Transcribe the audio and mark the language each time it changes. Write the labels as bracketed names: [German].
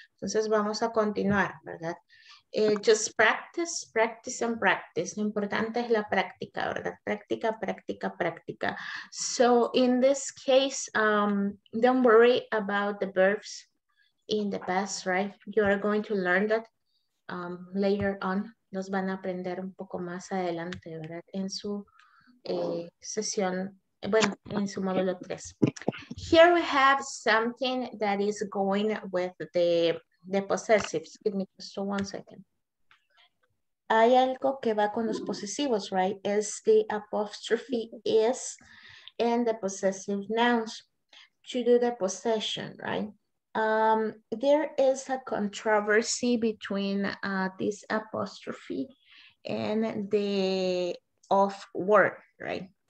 [Spanish] Entonces vamos a continuar, ¿verdad? [English] Just practice, practice and practice. [Spanish] Lo importante es la práctica, ¿verdad? Práctica, práctica, práctica. [English] So in this case, don't worry about the verbs in the past, right? You are going to learn that later on. [Spanish] Los van a aprender un poco más adelante, ¿verdad? En su sesión, bueno, en su módulo 3. [English] Here we have something that is going with the the possessives. Give me just 1 second. [Spanish] Hay algo que va con los posesivos, right? [English] Is the apostrophe is and the possessive nouns to do the possession, right? There is a controversy between this apostrophe and the of word, right?